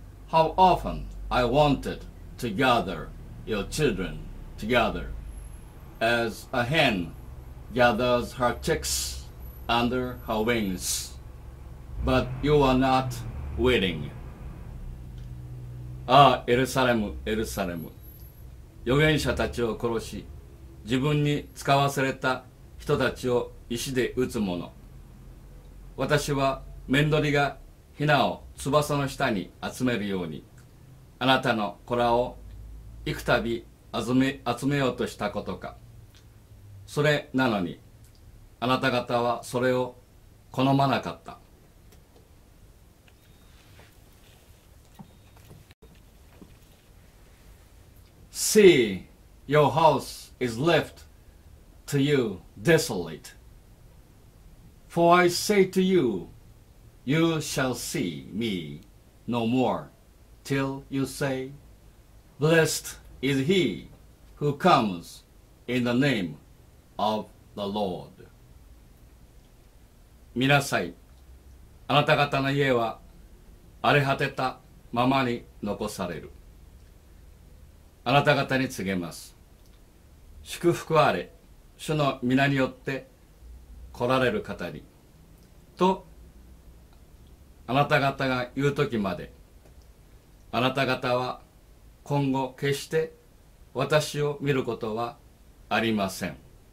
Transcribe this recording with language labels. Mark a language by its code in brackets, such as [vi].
[en] How often I wanted to gather your children together, as a hen gathers her chicks under her wings, but you are not willing. Ah, Jerusalem, Jerusalem. [ja] 預言者たちを殺し、自分に使わされた人たちを石で打つ者。私は面取りがひなを翼の下に集めるように、あなたの子らを幾度集めようとしたことか。それなのに、あなた方はそれを好まなかった。 [en] See, your house is left to you desolate. For I say to you, you shall see me no more till you say, Blessed is he who comes in the name of the Lord. [ja] 見なさい、あなた方の家は荒れ果てたままに残される。あなた方に告げます、祝福あれ主の御名によって来られる方に、とあなた方が言う時まで、あなた方は今後決して私を見ることはありません。